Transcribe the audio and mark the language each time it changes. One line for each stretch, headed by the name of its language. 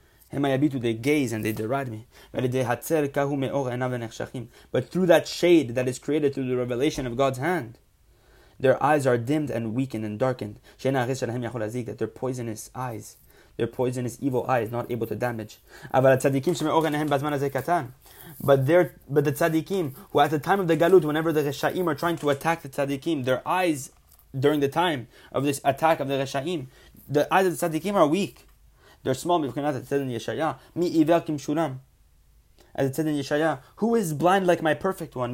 English: They gaze and they deride me. But through that shade that is created through the revelation of God's hand, their eyes are dimmed and weakened and darkened. That their poisonous eyes, their poisonous evil eye is not able to damage.
Hebrew: אבל הצדיקים שמאורן להם בזמן הזה קטן.
English: But the tzadikim, who at the time of the galut, whenever the reshaim are trying to attack the tzadikim, their eyes during the time of this attack of the reshaim, the eyes of the tzadikim are weak. They're small. As it said in Yeshaya,
Hebrew: mi ivel kimshulam.
English: As it said in Yeshaya, who is blind like my perfect one?